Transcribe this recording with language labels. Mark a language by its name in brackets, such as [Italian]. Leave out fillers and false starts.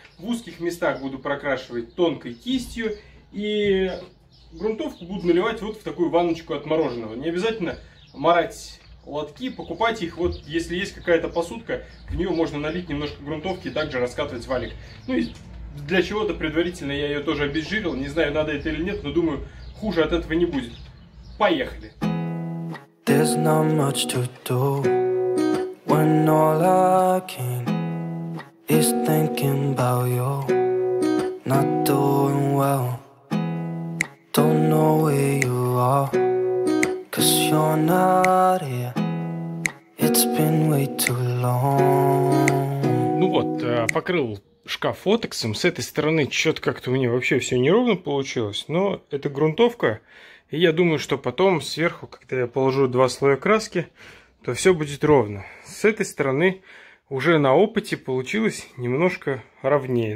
[Russian] В узких местах буду прокрашивать тонкой кистью. И грунтовку буду наливать вот в такую ванночку от мороженого. Не обязательно марать лотки, покупать их. Вот если есть какая-то посудка, в нее можно налить немножко грунтовки и также раскатывать валик. Ну и для чего-то предварительно я ее тоже обезжирил. Не знаю, надо это или нет, но думаю, хуже от этого не будет. Поехали! [English] There's not much to do when all I can is thinking about you. Not doing well. Don't know where you are, 'cause you're not here. It's been way too long. [Russian] Ну вот, покрыл шкаф отексом. С этой стороны что-то как-то у меня вообще все неровно получилось. Но это грунтовка. И я думаю, что потом сверху, когда я положу два слоя краски, то все будет ровно. С этой стороны уже на опыте получилось немножко ровнее.